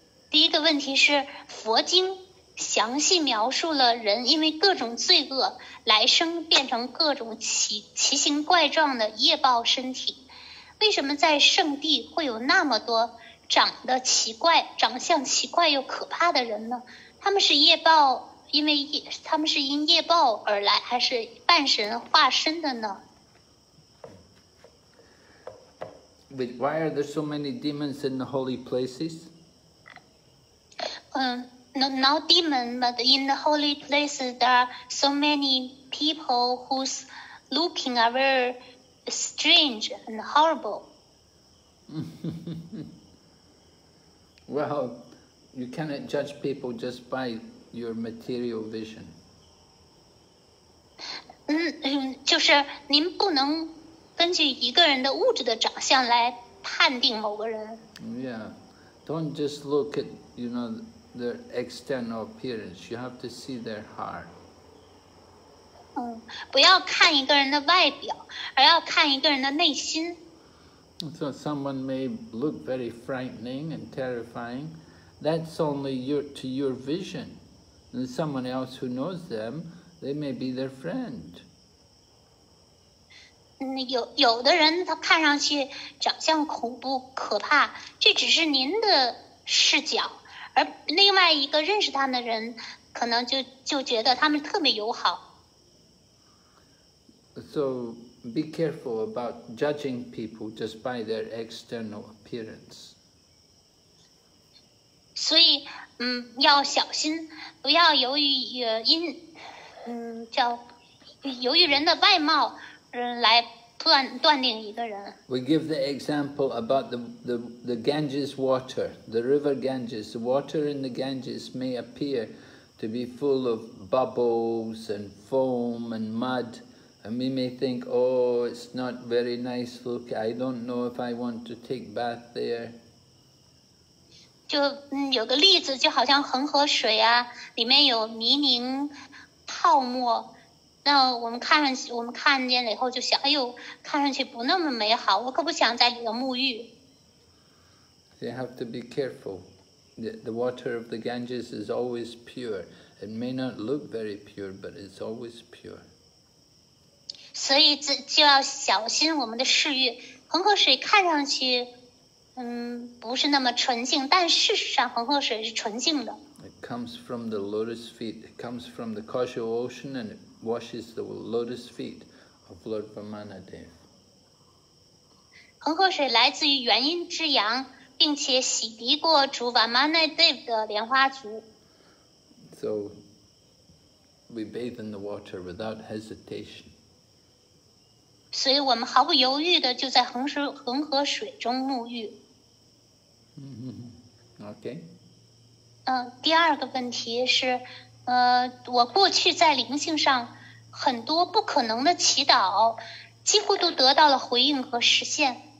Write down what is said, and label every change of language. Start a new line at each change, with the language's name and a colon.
Chinese: 第一个问题是，佛经详细描述了人因为各种罪恶，来生变成各种奇形怪状的业报身体。为什么在圣地会有那么多长得奇怪、长相奇怪又可怕的人呢？他们是业报。因为他们是因业报而来，还是半神化身的呢？
English: Wait, why are there so many demons in the holy places? Not demon, but in the holy places, there are so many people whose looking are very strange and horrible. Well, you cannot judge people just by your material vision.
Chinese: 就是您不能根据一个人的物质的长相来判定某个人。
English: Yeah, don't just look at, you know, their external appearance. You have to see their heart.
Chinese: 不要看一个人的外表，而要看一个人的内心。
English: So someone may look very frightening and terrifying. That's only to your vision. And someone else who knows them, they may be their friend.
Chinese: 有的人他看上去长相恐怖可怕，这只是您的视角，而另外一个认识他们的人可能就觉得他们特别友好。
English: So be careful about judging people just by their external appearance.
Chinese: 所以要小心，不要由于人的外貌来断定一个人。
English: We give the example about the Ganges water, the river Ganges. The water in the Ganges may appear to be full of bubbles and foam and mud, and we may think, oh, it's not very nice look. I don't know if I want to take bath there.
Chinese: 就有个例子，就好像恒河水啊，里面有泥泞泡沫，那我们看见了以后就想，哎呦，看上去不那么美好，我可不想在里面沐浴。
English: You have to be careful. The water of the Ganges is always pure. It may not look very pure, but it's always pure.
Chinese: 所以就要小心我们的嗜欲。恒河水看上去。不是那么纯净，但事实上恒河水是纯净的。
English: It comes from the lotus feet. It comes from the causal ocean, and it washes the lotus feet of Lord Brahmanadev.
Chinese: 恒河水来自于元婴之阳，并且洗涤过主 Vamanadeva 的莲花足。
English: So we bathe in the water without hesitation.
Chinese: 所以我们毫不犹豫的就在恒河水中沐浴。
English: Okay.
Chinese: 第二个问题是，我过去在灵性上很多不可能的祈祷，几乎都得到了回应和实现。